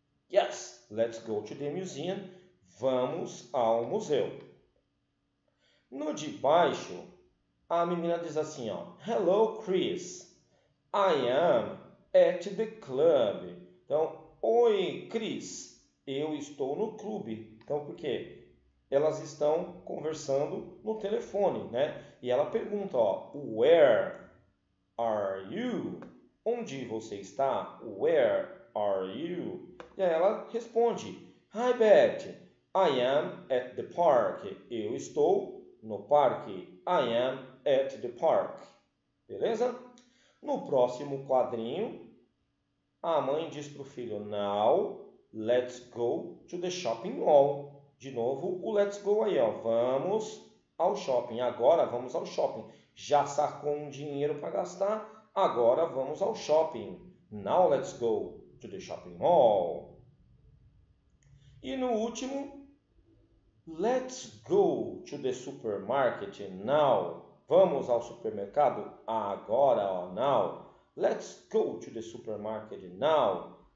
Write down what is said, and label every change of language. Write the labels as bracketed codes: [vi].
[en] Yes, let's go to the museum. [pt] Vamos ao museu. No de baixo, a menina diz assim, ó: [en] Hello, Chris. I am at the club. [pt] Então, oi, Chris. Eu estou no clube. Então, por quê? Elas estão conversando no telefone, né? E ela pergunta, ó: [en] Where are you? [pt] Onde você está? [en] Where are you? [pt] E aí ela responde: [en] Hi, Beth. I am at the park. [pt] Eu estou no parque. [en] I am at the park. [pt] Beleza? No próximo quadrinho, a mãe diz para o filho: [en] Now, let's go to the shopping mall. [pt] De novo, o let's go aí, ó. Vamos ao shopping. Agora vamos ao shopping. Já sacou um dinheiro para gastar? Agora vamos ao shopping. [en] Now, let's go to the shopping mall. [pt] E no último, [en] let's go to the supermarket now. [pt] Vamos ao supermercado agora, ó, now. [en] Let's go to the supermarket now.